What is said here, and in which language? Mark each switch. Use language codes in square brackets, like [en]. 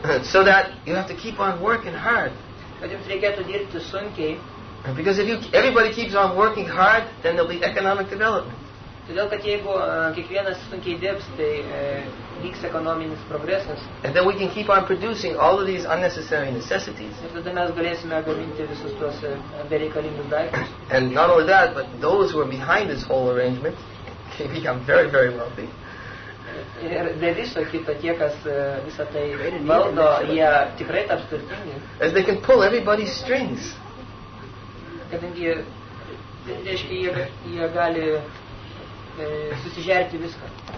[en] So that you have to keep on working hard. [lt] Kad jums reikėtų dirbti sunkiai. [en] Because if everybody keeps on working hard, then there'll be economic development. [lt] Todėl, kad jeigu kiekvienas sunkiai dirbs, tai vyks ekonominis progresas. [en] And then we can keep on producing all of these unnecessary necessities. [lt] Ir tada mes galėsime gaminti visus tuos bereikalingus daiktus. [en] And not only that, but those who are behind this whole arrangement can become very, very wealthy. [lt] Ir be viso kito, tie, kas visą tai valdo, jie tikrai taps turtingi. [en] As they can pull everybody's strings. [lt] Kadangi jie gali susižerti viską.